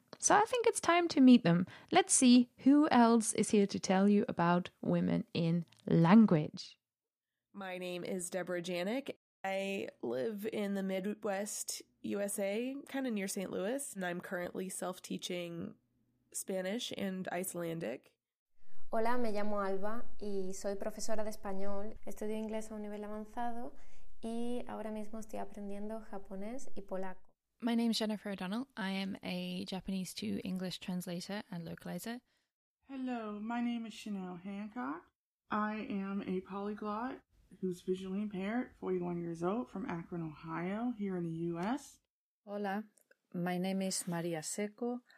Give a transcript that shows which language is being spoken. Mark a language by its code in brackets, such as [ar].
[en] So I think it's time to meet them. Let's see who else is here to tell you about women in language. My name is Deborah Janik. I live in the Midwest USA, kind of near St. Louis, and I'm currently self-teaching Spanish and Icelandic. [es] Hola, me llamo Alba y soy profesora de español. Estudio inglés a un nivel avanzado y ahora mismo estoy aprendiendo japonés y polaco. [en] My name is Jennifer O'Donnell. I am a Japanese to English translator and localizer. Hello, my name is Chanel Hancock. I am a polyglot who's visually impaired, 41 years old, from Akron, Ohio, here in the U.S. [es] Hola, [en] my name is Maria Seco.